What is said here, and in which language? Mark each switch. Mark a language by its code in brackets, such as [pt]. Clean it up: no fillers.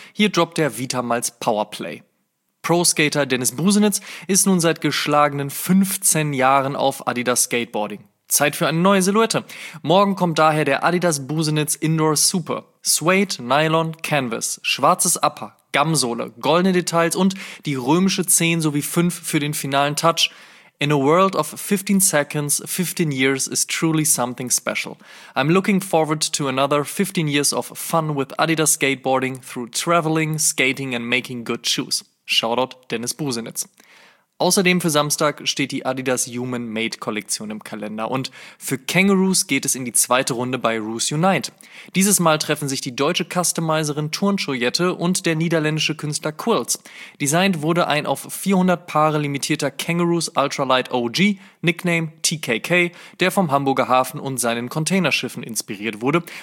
[de] Hier droppt der Vitamals Powerplay. Pro-Skater Dennis Busenitz ist nun seit geschlagenen 15 Jahren auf Adidas Skateboarding. Zeit für eine neue Silhouette. Morgen kommt daher der Adidas Busenitz Indoor Super. Suede, Nylon, Canvas, schwarzes Upper, Gamsole, goldene Details und die römische 10 sowie 5 für den finalen Touch. [en] In a world of 15 seconds, 15 years is truly something special. I'm looking forward to another 15 years of fun with Adidas Skateboarding through traveling, skating and making good shoes. Shoutout Dennis Busenitz. [de] Außerdem für Samstag steht die Adidas Human Made Kollektion im Kalender und für Kangaroos geht es in die zweite Runde bei Roos Unite. Dieses Mal treffen sich die deutsche Customizerin Turnschuhjette und der niederländische Künstler Quilts. Designed wurde ein auf 400 Paare limitierter Kangaroos Ultralight OG, Nickname TKK, der vom Hamburger Hafen und seinen Containerschiffen inspiriert wurde.